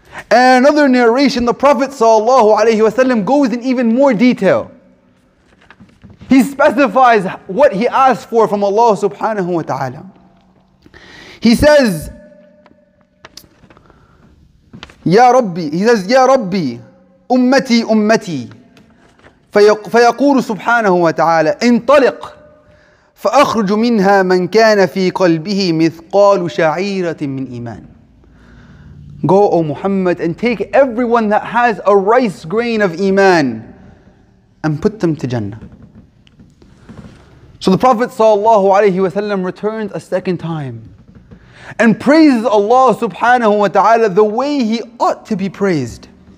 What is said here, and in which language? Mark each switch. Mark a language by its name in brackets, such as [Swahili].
[English] And another narration, the Prophet صلى الله عليه وسلم goes in even more detail. He specifies what he asked for from Allah subhanahu wa ta'ala. He says, Ya Rabbi, he says, [Arabic] Ya Rabbi, Ummati, Ummati. فيقول سبحانه وتعالى انطلق فأخرج منها من كان في قلبه مثقال شعيرة من إيمان. [English] Go, O Muhammad, and take everyone that has a rice grain of Iman and put them to Jannah. So the Prophet sallallahu alayhi wa sallam returns a second time and praises Allah subhanahu wa ta'ala the way he ought to be praised.